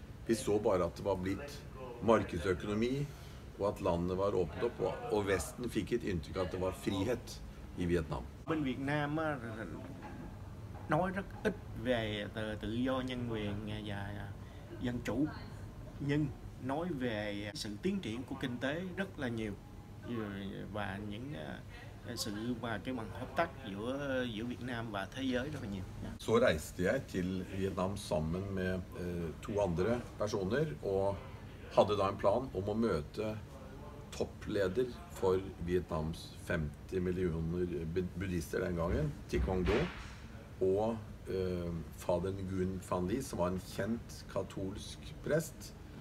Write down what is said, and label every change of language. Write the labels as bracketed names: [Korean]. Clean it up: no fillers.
[Norwegian] Vi så bare at det var blitt markedsøkonomi, og at landet var åpnet opp, og Vesten fikk et inntrykk at det var frihet i Vietnam. [Vietnamese] Bên Việt Nam nói rất ít về tự do, nhân quyền và dân chủ, nhưng nói về sự tiến triển của kinh tế rất là nhiều, và những sự và cái bằng hợp tác giữa Việt Nam và thế giới rất là nhiều. [Norwegian] Så reiste jeg til Vietnam sammen med to andre personer og hadde da en plan om å møte toppleder for Vietnams 50 millioner buddhister den gangen, Thich Quang Do, og Fader Nguyen Phan Ly, som var en kjent katolsk prest.